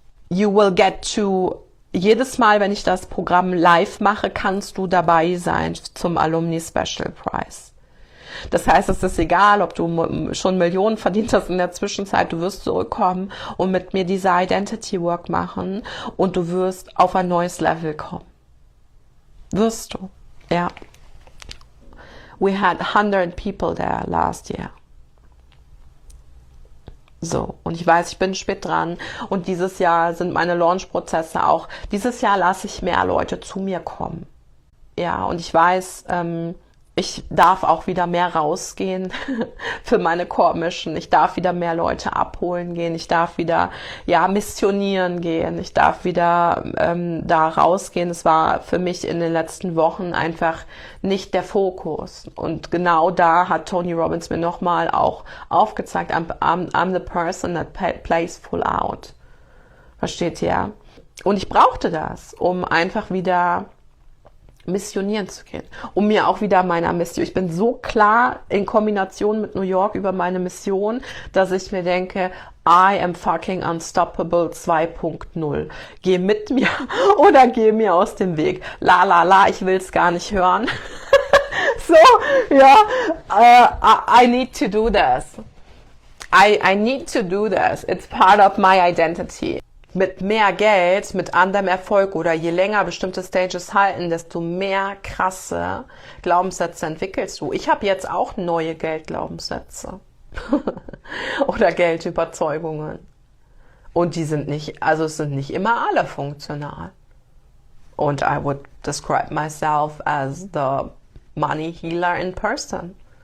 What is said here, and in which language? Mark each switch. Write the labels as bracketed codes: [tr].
[en] You will get to, [de] jedes Mal, wenn ich das Programm live mache, kannst du dabei sein zum Alumni Special Prize. Das heißt, es ist egal, ob du schon Millionen verdient hast in der Zwischenzeit, du wirst zurückkommen und mit mir diese Identity Work machen und du wirst auf ein neues Level kommen. Wirst du, ja. [en] We had 100 people there last year. [de] So, und ich weiß, ich bin spät dran und dieses Jahr sind meine Launch-Prozesse auch. Dieses Jahr lasse ich mehr Leute zu mir kommen. Ja, und ich weiß, ich darf auch wieder mehr rausgehen für meine Core-Mission. Ich darf wieder mehr Leute abholen gehen. Ich darf wieder, ja, missionieren gehen. Ich darf wieder da rausgehen. Es war für mich in den letzten Wochen einfach nicht der Fokus. Und genau da hat Tony Robbins mir nochmal auch aufgezeigt, [en] I'm the person that plays full out. [de] Versteht ihr? Und ich brauchte das, um einfach wieder missionieren zu gehen, um mir auch wieder meiner Mission. Ich bin so klar in Kombination mit New York über meine Mission, dass ich mir denke, [en] I am fucking unstoppable 2.0. [de] Geh mit mir oder geh mir aus dem Weg. La la la, ich will es gar nicht hören. [en] So, ja, I need to do this. I need to do this. It's part of my identity. [de] mit mehr Geld, mit anderem Erfolg oder je länger bestimmte Stages halten, desto mehr krasse Glaubenssätze entwickelst du. Ich habe jetzt auch neue Geldglaubenssätze oder Geldüberzeugungen. Und die sind nicht, also es sind nicht immer alle funktional. [en] Und I would describe myself as the money healer in person.